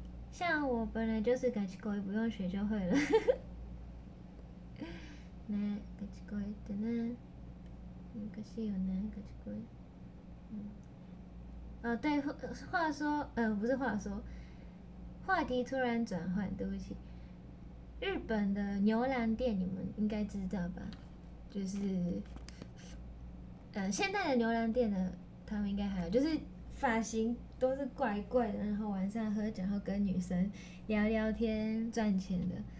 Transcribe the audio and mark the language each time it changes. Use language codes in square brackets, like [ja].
[zh] 像我本来就是ガチ恋，不用学就会了。 [ja] ね、ガチ恋ってね、難しいよね、ガチ恋。 [zh] 嗯。哦，对，话说，不是话说，话题突然转换，对不起。日本的牛郎店你们应该知道吧，就是现代的牛郎店呢他们应该还有，就是发型都是怪怪的，然后晚上喝酒然后跟女生聊聊天赚钱的。